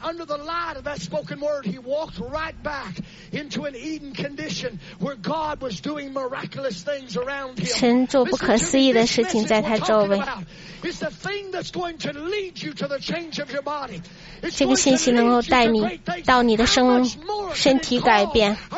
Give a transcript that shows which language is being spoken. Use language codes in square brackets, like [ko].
[en] Under the light of that spoken word, he walked right back into an Eden condition where God was doing miraculous things around him. [zh] 神做不可思议的事情在他周围。 [en] It's the thing that's going to lead you to the change of your body. [zh] 这个信息能够带你到你的身体改变。